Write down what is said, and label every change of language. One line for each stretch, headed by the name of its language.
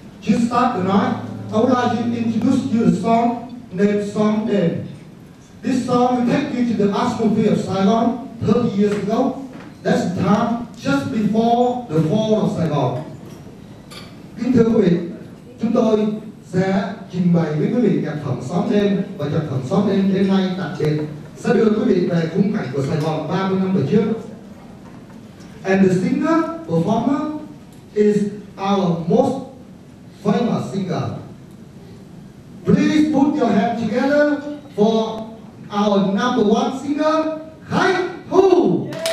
English: to start the night, I would like to introduce you a song named Song Day. This song will take you to the atmosphere of Saigon 30 years ago. That's the time just before the fall of Saigon.
Vietnamese: Kính thưa quý vị, chúng tôi sẽ trình bày với quý vị nhạc phẩm Song Day và nhạc phẩm Song Day đến nay đặc biệt sẽ đưa quý vị về khung cảnh của Sài Gòn 30 năm về trước.
English: And the singer, performer, is our most famous singer. Please put your hands together for our number one singer, Chay Thu!